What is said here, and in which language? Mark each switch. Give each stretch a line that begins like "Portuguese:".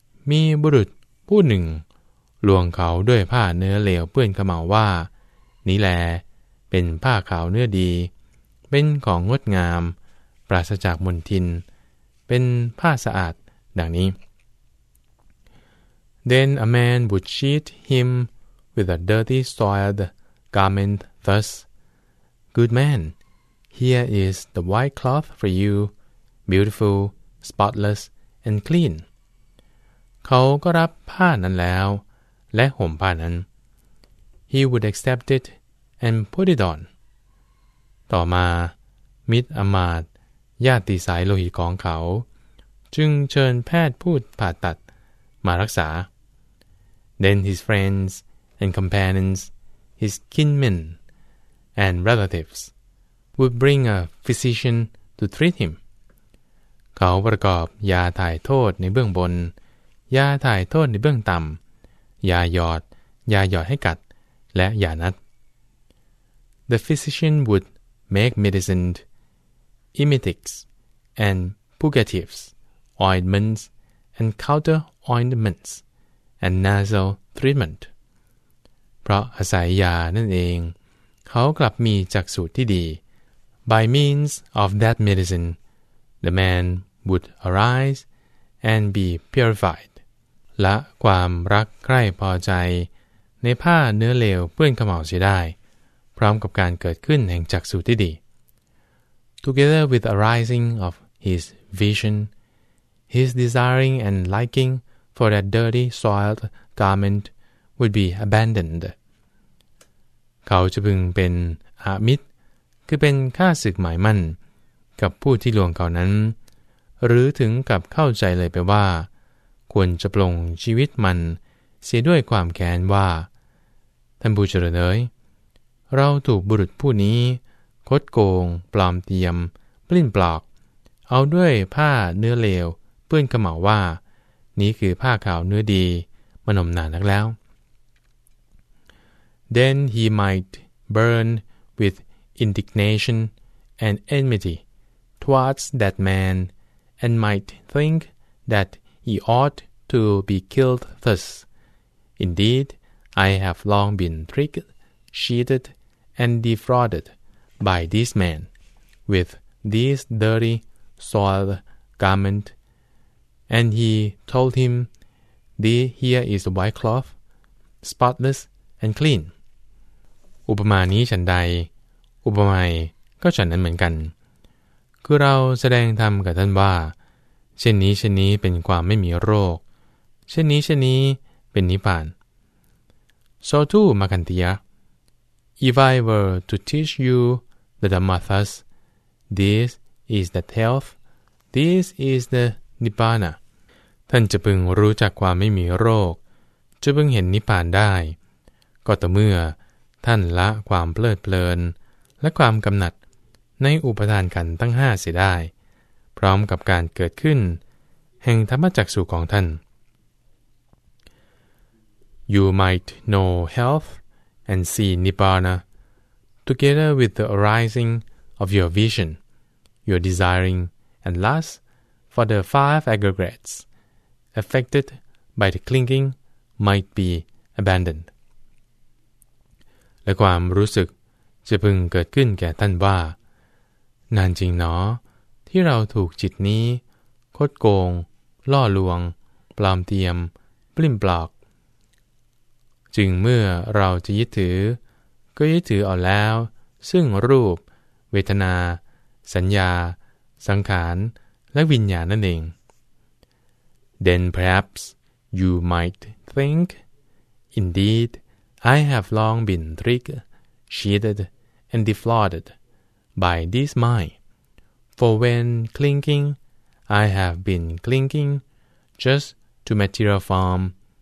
Thai: มีบุรุษผู้หนึ่งลวงเขาด้วยผ้าเนื้อเหลวเปื้อนขมเหลวว่านี้แลเป็นผ้าขาวเนื้อดีเป็นของงดงามปราศจากมลทินเป็นผ้าสะอาดดังนี้
English: Then a man would cheat him with a dirty soiled garment thus Good man, here is the white cloth for you, beautiful, spotless, and clean
Thai: เขาก็รับผ้านั้นแล้วและห่มผ้านั้น
English: He would accept it and put it on.
Thai: ต่อมามิตรอมาตย์ญาติสายโลหิตของเขาจึงเชิญแพทย์ผู้ผ่าตัดมารักษา
English: Then his friends and companions, his kinmen and relatives would bring a physician to treat him.
Thai: เขาประกอบยาถ่ายโทษในเบื้องบนยาถ่ายโทษในเบื้องต่ำยาหยอดยาหยอดให้กัดและยานัด
English: The physician would make medicine, emetics, and purgatives, ointments, and counter ointments, and nasal treatment.
Thai: เพราะอาศัยยานั่นเองเขากลับมีจักษุที่ดี
English: By means of that medicine, the man would arise and be purified.
Thai: และความรักใคร่พอใจในผ้าเนื้อเหลวเปื้อนขมเหลวเสียได้พร้อมกับการเกิดขึ้นแห่งจักษุที่ดี
English: Together with arising of his vision, his desiring and liking for that dirty soiled garment would be abandoned.
Thai: เขาจะพึงเป็นอามิตรคือเป็นข้าศึกหมายมั่นกับผู้ที่ลวงเขานั้นหรือถึงกับเข้าใจเลยไปว่าควรจะปลงชีวิตมันเสียด้วยความแค้นว่าท่านผู้เจริญเอ๋ยเราถูกบุรุษผู้นี้คดโกงปลอมเตรียมปลิ้นปลอกเอาด้วยผ้าเนื้อเลวเปื้อนขมเหลวว่านี้คือผ้าขาวเนื้อดีมานมนานนักแล้ว
English: Then he might burn with indignation and enmity towards that man and might think thatHe ought to be killed thus. Indeed, I have long been tricked, cheated, and defrauded by this man, with this dirty, soiled garment And he told him, here is the white cloth, spotless and clean.
Thai: อุปมานี้ฉันใดอุปมาอีกก็ฉันนั้นเหมือนกันคือเราแสดงธรรมกับท่านว่าเช่นนี้เช่นนี้เป็นความไม่มีโรคเช่นนี้เช่นนี้เป็นนิพพาน
English: So too, Makantiya, if I were to teach you the Dhamma thus, this is the health, this is the Nibbana.
Thai: ท่านจะพึงรู้จักความไม่มีโรคจะพึงเห็นนิพพานได้ก็ต่อเมื่อท่านละความเพลิดเพลินและความกำหนัดในอุปทานขันธ์ทั้ง5เสียได้พร้อมกับการเกิดขึ้นแห่งธรรมจักขุของท่าน
English: You might know health and see Nibbana together with the arising of your vision, your desiring, and lust for the five aggregates affected by the clinging might be abandoned.
Thai: และความรู้สึกจะพึงเกิดขึ้นแก่ท่านว่านานจริงหนอที่เราถูกจิตนี้โคดโกงล่อลวงปลอมเทียมปลิ้มปลอกจึงเมื่อเราจะยึดถือก็ยึดถือเอาแล้วซึ่งรูปเวทนาสัญญาสังขารและวิญญาณนั่นเอง
English: Then perhaps you might think, indeed, I have long been tricked, cheated, and defrauded by this mind. For when clinging, I have been clinging just to material form.